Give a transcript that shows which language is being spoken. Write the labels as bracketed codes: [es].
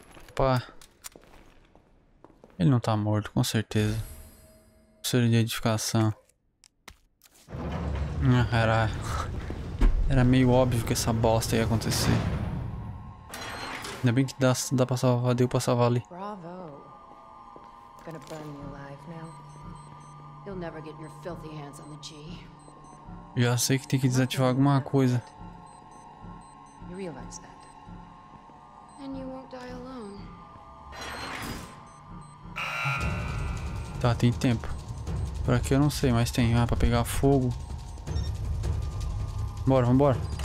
[pt] Opa. Ele não tá morto, com certeza. Pulseira de edificação. Era meio óbvio que essa bosta ia acontecer. Ainda bem que dá pra salvar, deu pra salvar ali. Bravo. [en] Gonna burn you alive now. You'll never get your filthy hands on the G. [pt] Já sei que tem que desativar alguma coisa. [en] You realize that. And you won't die alone. [pt] Tá, tem tempo. Por aqui eu não sei, mas tem. Ah, pra pegar fogo. Bora, vambora.